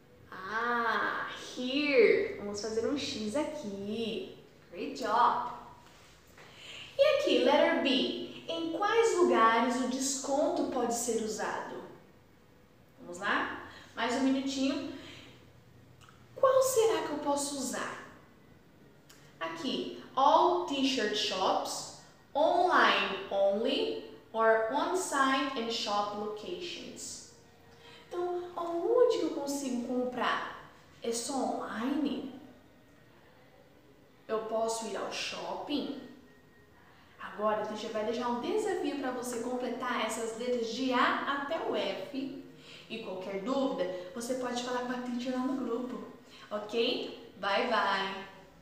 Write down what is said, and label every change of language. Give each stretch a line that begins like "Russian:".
English: Ah, here.
Portuguese: Vamos fazer um X aqui.
English: Great job.
Portuguese: E aqui, letter B. Em quais lugares o desconto pode ser usado? Vamos lá? Mais um minutinho. Qual será que eu posso usar?
English: Aqui, all t-shirt shops, online only, or on-site and shop locations.
Portuguese: Então, aonde que eu consigo comprar? É só online? Eu posso ir ao shopping? Agora, a gente vai deixar um desafio para você completar essas letras de A até o F. E qualquer dúvida, você pode falar com a teacher lá no grupo. Ok?
English: Bye, bye!